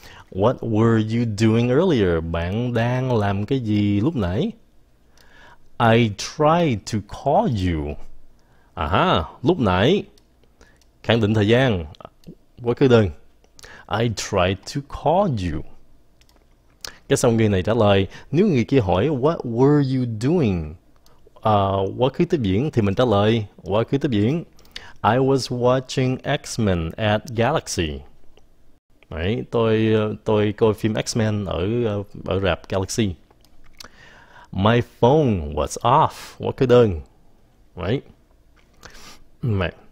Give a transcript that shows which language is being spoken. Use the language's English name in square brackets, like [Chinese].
[English] What were you doing earlier? [Vietnamese] Bạn đang làm cái gì lúc nãy? [English] I tried to call you. [Vietnamese] À, lúc nãy. Khẳng định thời gian. Quá khứ đơn. [English] I tried to call you. [Vietnamese] Cái xong người này trả lời. Nếu người kia hỏi [English] What were you doing? [Vietnamese] Quá khứ tiếp diễn thì mình trả lời. Quá khứ tiếp diễn. [English] I was watching X-Men at Galaxy. [Vietnamese] Đấy, tôi coi phim X-Men ở ở rạp Galaxy. [English] My phone was off. [Vietnamese] Quá khứ đơn. Đấy. Mẹ.